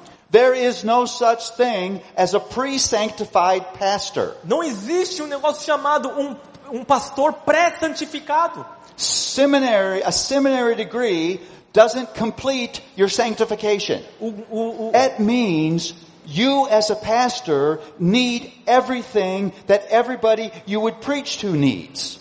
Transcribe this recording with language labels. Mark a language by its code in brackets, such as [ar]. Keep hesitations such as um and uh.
[en] There is no such thing as a pre-sanctified pastor. [pt] Não existe um negócio chamado um, um pastor pré-santificado. [en] Seminary, a seminary degree doesn't complete your sanctification. [pt] O, [en] That means you as a pastor need everything that everybody you would preach to needs.